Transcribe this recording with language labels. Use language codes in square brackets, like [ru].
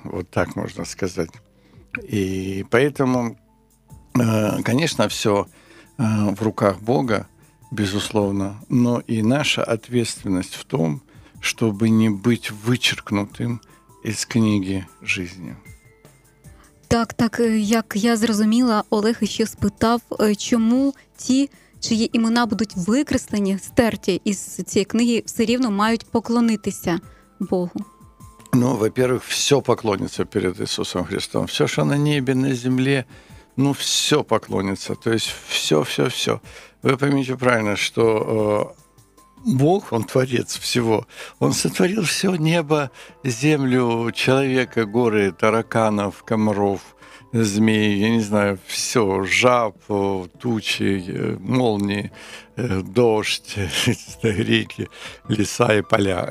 [ru] Вот так можно сказать. И поэтому, конечно, все в руках Бога, безусловно, но и наша ответственность в том, чтобы не быть вычеркнутым из книги жизни. [uk] Так, так, як я зрозуміла, Олег ще спитав, чому ті, чиї імена будуть викреслені, стерті із цієї книги, все рівно мають поклонитися Богу? [ru] Ну, во-первых, все поклонится перед Иисусом Христом. Все, что на небе, на земле, ну, все поклонится. То есть все. Вы поймите правильно, что Бог, Он творец всего. Он сотворил все небо, землю, человека, горы, тараканов, комаров, змей, я не знаю, все, жаб, тучи, молнии, дождь, реки, леса и поля.